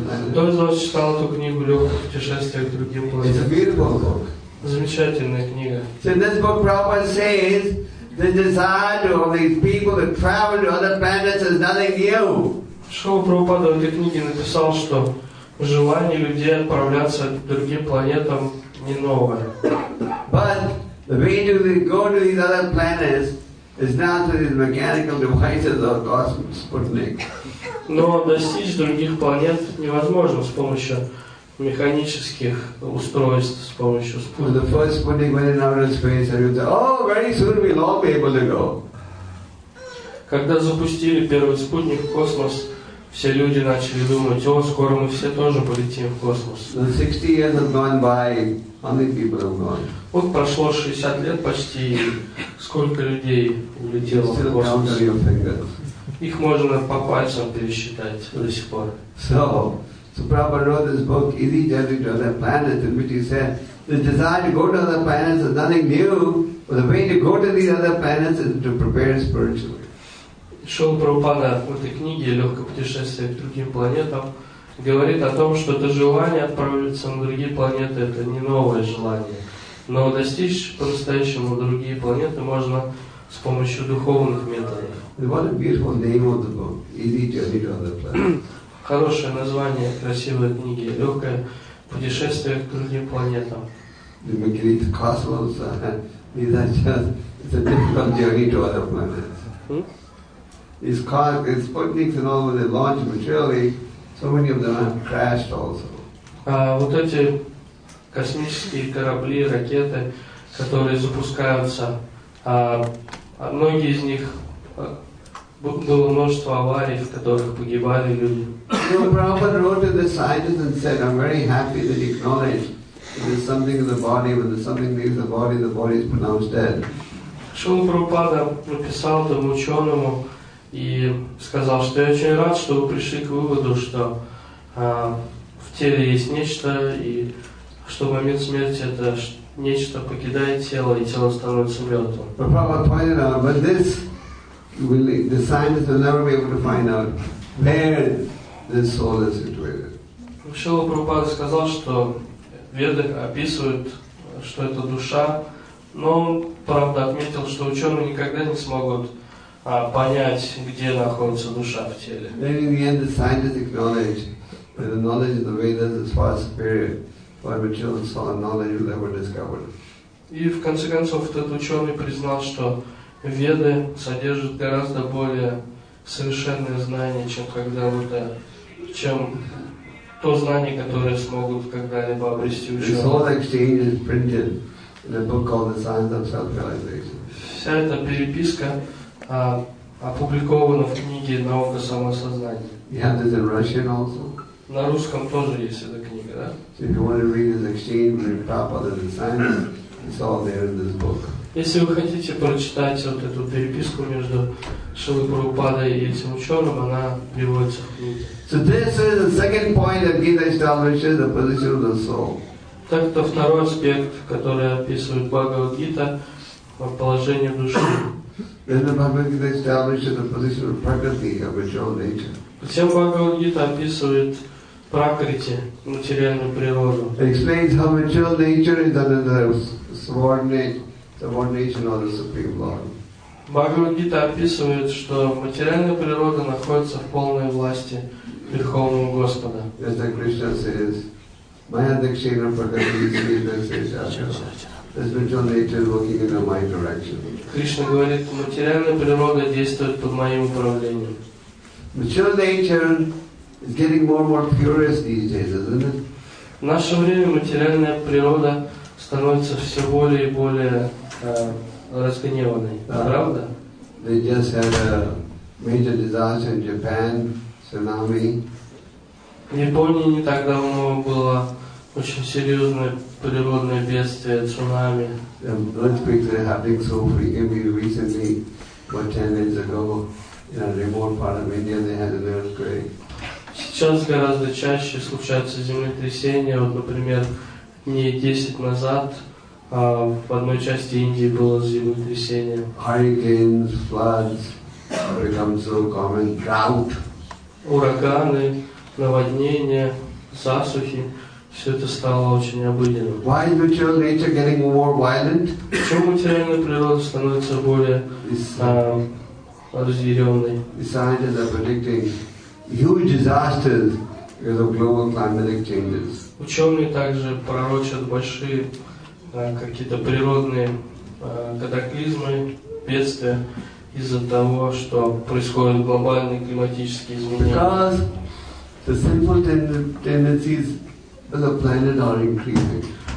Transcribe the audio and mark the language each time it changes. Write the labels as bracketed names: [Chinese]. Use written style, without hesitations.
[Russian] Кто из вас читал эту книгу «Легкое путешествие к другим планетам»? Замечательная книга. [English] So in this book Prabhupada says the desire to all these people to travel to other planets is nothing new. [Russian] Шрила Прабхупада в этой книге написал, что желание людей отправляться к другим планетам не новое. [English] But the way to go to these other planets is not through these mechanical devices or cosmic Sputnik. [Russian] Но достичь других планет невозможно с помощью механических устройств, с помощью Sputnik. [English] The first Sputnik went in outer space, and you say, "Oh, very soon we'll all be able to go." [Russian] Когда запустили первый спутник в космос, все люди начали думать: "О, скоро мы все тоже полетим в космос." [English] The 60 years have gone by. How many people have gone? [Russian] Вот прошло 60 лет почти, сколько людей улетело в космос. Их можно по пальцам пересчитать до сих пор. [English] So Prabhupada wrote this book, Easy Journey to Other Planets, in which he said, the desire to go to other planets is nothing new, but the way to go to these other planets is to prepare spiritually. [Russian] Шрила Прабхупада в этой книге «Легкое путешествие к другим планетам» говорит о том, что это желание отправиться на другие планеты – это не новое желание. Но достичь по-настоящему другие планеты можно с помощью духовных методов. Хорошее название красивой книги – «Легкое путешествие к другим планетам». Космос, это просто путешествие к другим планетам. [English] is caused, and спутники and all when they launch materially, so many of them have crashed also. [Russian] Вот эти космические корабли, ракеты, которые запускаются, многие из них, было множество аварий, в которых погибали люди. [English] You know, Prabhupada wrote to the scientists and said, I'm very happy that you acknowledge that there's something in the body, when there's something leaves the body is pronounced dead. [Russian] Шрила Прабхупада написал тому ученому и сказал, что я очень рад, что вы пришли к выводу, что в теле есть нечто, и что в момент смерти это нечто покидает тело, и тело становится мертвым. [English] But Prabhupada pointed out, but this, will, the scientists will never be able to find out where this soul is situated. [Russian] Шрила Прабхупада сказал, что веды описывают, что это душа, но он, правда, отметил, что ученые никогда не смогут понять, где находится душа в теле. [English] Then in the end, the scientists acknowledge that the knowledge of the Vedas is far superior to what material and solid knowledge will ever discover. [Russian] И в конце концов, этот ученый признал, что веды содержат гораздо более совершенные знания, чем когда-либо, чем то знание, которое смогут когда-либо обрести ученые. [English] The solid exchange is printed in a book called The Science of Self-Realization. [Russian] Вся эта переписка опубликовано в книге «Наука самосознания». [English] You have this in Russian also? [Russian] На русском тоже есть эта книга, да? [English] So if you want to read this exchange between Prabhupada and the scientists, it's all there in this book. [Russian] Если вы хотите прочитать вот эту переписку между Шрилой Прабхупадой и этим ученым, она приводится в книге. [English] So this is the second point that Gita establishes the position of the soul. [Russian] Так это второй аспект, который описывает Бхагавад-гита о положении души. [English] Then the Bhagavad Gita establishes the position of prakriti, of material nature. [Russian] Затем Бхагавад Гита описывает пракрити, материальную природу. [English] It explains how material nature is under the subordination of the Supreme Lord. [Russian] Бхагавад Гита описывает, что материальная природа находится в полной власти Верховного Господа. [English] As the Krishna says, my adhikshena prakriti is Krishna. This material nature is working in my direction. [Russian] Кришна говорит, материальная природа действует под моим управлением. [English] Material nature is getting more and more furious these days, isn't it? [Russian] В наше время материальная природа становится все более и более разгневанной. Правда? [English] They just had a major disaster in Japan, tsunami. [Russian] В Японии не так давно было очень серьезное природное бедствие, цунами. [English] Earthquakes are happening so frequently. Recently, about 10 days ago, in a remote part of India, they had an earthquake. [Russian] Сейчас гораздо чаще случаются землетрясения. Вот, например, дней 10 назад в одной части Индии было землетрясение. [English] Hurricanes, floods become so common. Drought. [Russian] Ураганы, наводнения, засухи. Все это стало очень обыденным. [English] Why is material nature getting more violent? [Russian] Почему материальная природа становится более разъяренной? [English] The scientists are predicting huge disasters because of global climatic changes. [Russian] Ученые также пророчат большие какие-то природные катаклизмы, бедствия из-за того, что происходят глобальные климатические изменения. [English] Because the sinful tendencies the planet are increasing.